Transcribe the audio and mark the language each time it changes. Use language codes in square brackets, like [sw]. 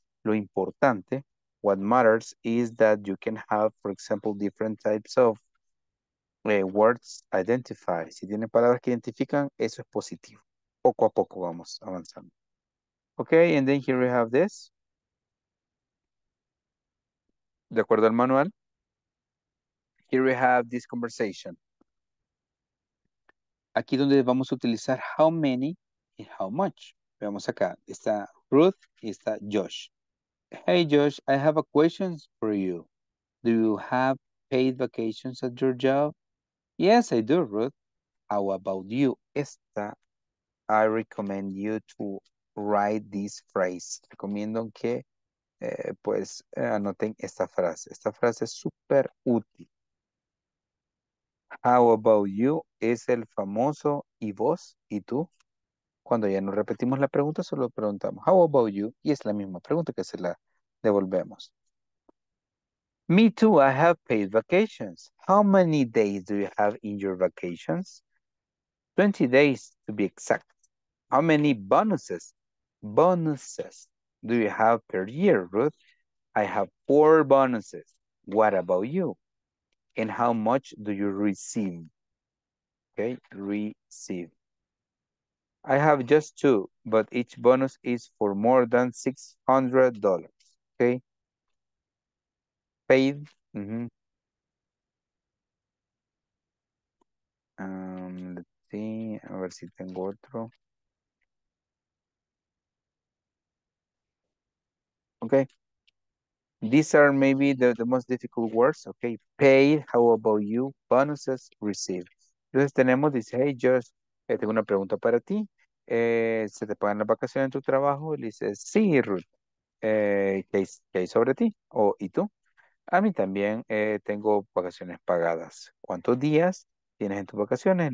[es] Lo importante, [en] what matters is that you can have, for example, different types of words identified. [es] Si tienen palabras que identifican, eso es positivo. Poco a poco vamos avanzando. [en] Okay, and then here we have this. [es] De acuerdo al manual, [en] here we have this conversation. [es] Aquí donde vamos a utilizar how many y how much. Veamos acá. Está Ruth y está Josh. [en] Hey, Josh, I have a question for you. Do you have paid vacations at your job? Yes, I do, Ruth. How about you? [es] Esta, [en] I recommend you to write this phrase. [es] Recomiendo que, pues, anoten esta frase. Esta frase es súper útil. [en] How about you? [es] Es el famoso y vos y tú. Cuando ya no repetimos la pregunta, solo preguntamos [en] how about you? [es] Y es la misma pregunta que se la devolvemos. [en] Me too, I have paid vacations. How many days do you have in your vacations? 20 days to be exact. How many bonuses do you have per year, Ruth? I have 4 bonuses. What about you? And how much do you receive? Okay, receive. I have just 2, but each bonus is for more than $600. Okay. Paid. Mm-hmm. Let's see. [es] A ver si tengo otro. [en] Okay. These are maybe the most difficult words, okay? Paid, how about you? Bonuses, received. [es] Entonces tenemos, dice, hey, Josh, tengo una pregunta para ti. ¿Se te pagan las vacaciones en tu trabajo? Y le dice, sí, Ruth. ¿Qué hay sobre ti? O, ¿y tú? A mí también tengo vacaciones pagadas. ¿Cuántos días tienes en tus vacaciones?